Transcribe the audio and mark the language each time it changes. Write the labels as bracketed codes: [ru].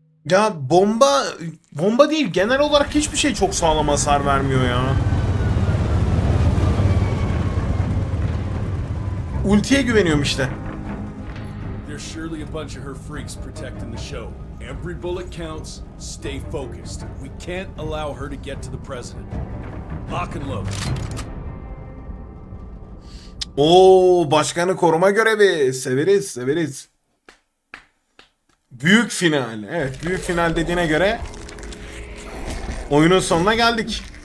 [tr] Ya bomba değil, genel olarak hiçbir şey çok sağlam hasar vermiyor ya. Ultiye güveniyorum işte. [en] There's surely a bunch of her freaks protecting the show. Every bullet counts. Stay focused. We can't allow her to get to the president. Lock and load. [tr] Oo, başkanı koruma görevi. Severiz, severiz. Büyük final. Evet, büyük final dediğine göre oyunun sonuna geldik.